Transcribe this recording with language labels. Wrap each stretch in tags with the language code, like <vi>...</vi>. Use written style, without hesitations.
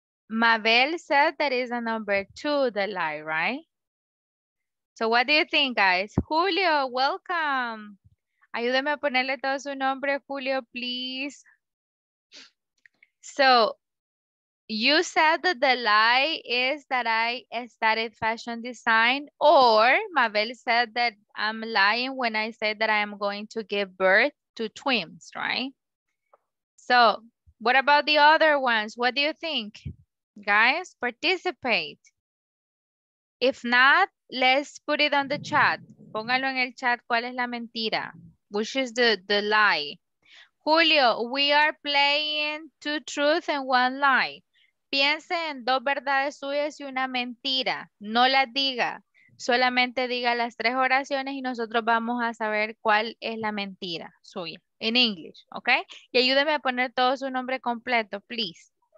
<en>Mabel said that is a number two, the lie, right? So what do you think, guys? Julio, welcome.</en> <es>Ayúdame a ponerle todo su nombre, Julio, please.</es> <en>So you said that the lie is that I studied fashion design, or Mabel said that I'm lying when I say that I am going to give birth to twins, right? So what about the other ones? What do you think? Guys, participate. If not, let's put it on the chat.</en> <es>Póngalo en el chat, ¿cuál es la mentira?</es> <en>Which is the lie? Julio, we are playing two truths and one lie.</en> <es>Piense en dos verdades suyas y una mentira. No las diga. Solamente diga las tres oraciones y nosotros vamos a saber cuál es la mentira suya.</es> <en>In English, okay?</en> <es>Y ayúdeme a poner todo su nombre completo, please.</es>